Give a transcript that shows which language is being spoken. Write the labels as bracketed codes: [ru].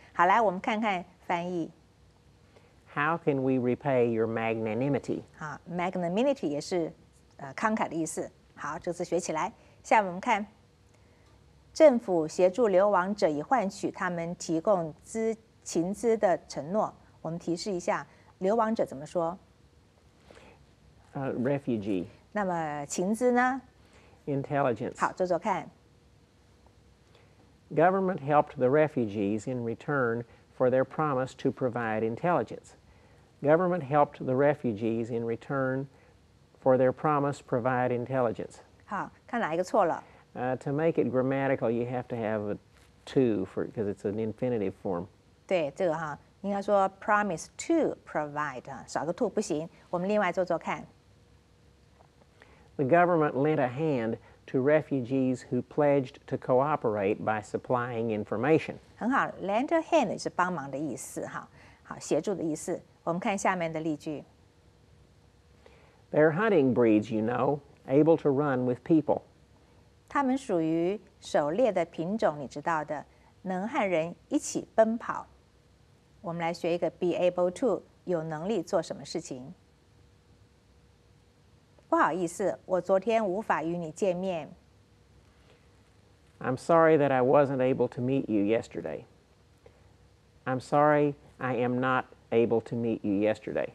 [zh] 好，来我们看看翻译。 [en] How can we repay your magnanimity? [zh] 好 ，magnanimity 也是慷慨的意思。好，这次学起来。下面我们看。政府协助流亡者以换取他们提供情资的承诺。我们提示一下，流亡者怎么说 [en] ？Refugee。 [zh] 那么情资呢 [en] ？Intelligence。 [zh] 好，做做看。 [en] Government helped the refugees in return for their promise to provide intelligence. Government helped the refugees in return for their promise to provide intelligence. [zh] 好，看哪一个错了。 [en] To make it grammatical, you have to have a to for because it's an infinitive form. [zh] 对这个哈，应该说 [en] promise to provide [zh] 少个 to 不行。我们另外做做看。 [en] The government lent a hand to refugees who pledged to cooperate by supplying information. [zh] 很好 ， [en] lend a hand [zh] 是帮忙的意思哈，好协助的意思。我们看下面的例句。 [en] They're hunting breeds, you know, able to run with people. [zh] 他们属于狩猎的品种，你知道的，能和人一起奔跑。我们来学一个 [en] be able to， [zh] 有能力做什么事情。不好意思，我昨天无法与你见面。 [en] I'm sorry that I wasn't able to meet you yesterday. I'm sorry I am not able to meet you yesterday.